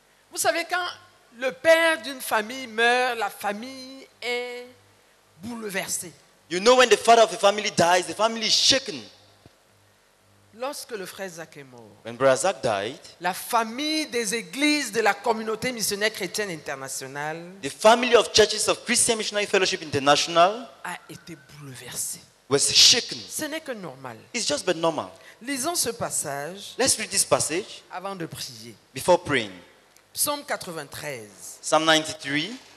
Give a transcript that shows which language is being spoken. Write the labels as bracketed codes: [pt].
[fr] Vous savez, quand le père d'une famille meurt, la famille est bouleversée. [en] You know when the father of a family dies, the family is shaken. [fr] Lorsque le frère Zach est mort, [en] When Brother Zach died, [fr] la famille des églises de la communauté missionnaire chrétienne internationale, [en] the family of churches of Christian Missionary Fellowship International, [fr] a été bouleversée. [en] Was shaken. [fr] Ce n'est que normal. [en] It's just but normal. [fr] Lisons ce passage. [en] Let's read this passage. [fr] Avant de prier. [en] Before praying. [fr] Psaume 93. [en] Psalm 93.